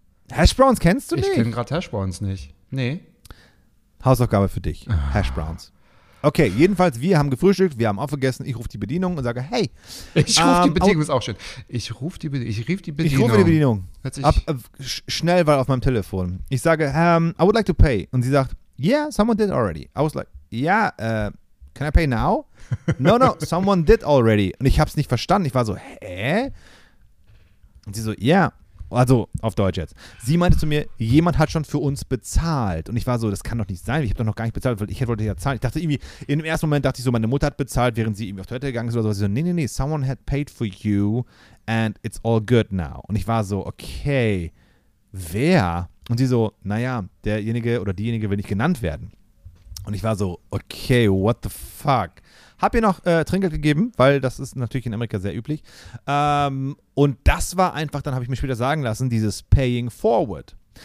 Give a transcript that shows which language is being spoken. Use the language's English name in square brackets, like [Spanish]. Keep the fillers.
[German] Hash Browns kennst du ich nicht? Ich kenne gerade Hash Browns nicht. Nee. Hausaufgabe für dich: ah. Hash Browns. Okay, jedenfalls, wir haben gefrühstückt, wir haben auch vergessen. Ich rufe die Bedienung und sage, hey. Ich ähm, rufe die Bedienung, ist au auch schön. Ich rufe die, Be die, Bedienung. Ich rufe die Bedienung. Ab, ab, schnell, weil auf meinem Telefon. Ich sage, [English] um, I would like to pay. [German] Und sie sagt, [English] yeah, someone did already. I was like, yeah, uh, can I pay now? no, no, someone did already. [German] Und ich habe es nicht verstanden. Ich war so, hä? Und sie so, yeah. Also auf Deutsch jetzt. Sie meinte zu mir, jemand hat schon für uns bezahlt. Und ich war so, das kann doch nicht sein. Ich habe doch noch gar nicht bezahlt, ich wollte ja zahlen. Ich dachte irgendwie, in dem ersten Moment dachte ich so, meine Mutter hat bezahlt, während sie irgendwie auf Toilette gegangen ist oder so. Sie nee, so, nee, nee, [English] someone had paid for you and it's all good now. [German] Und ich war so, okay, wer? Und sie so, naja, derjenige oder diejenige will nicht genannt werden. Und ich war so, [English] okay, what the fuck? [German] Hab ihr noch äh, Trinkgeld gegeben, weil das ist natürlich in Amerika sehr üblich. Ähm, und das war einfach, dann habe ich mir später sagen lassen, dieses Paying Forward.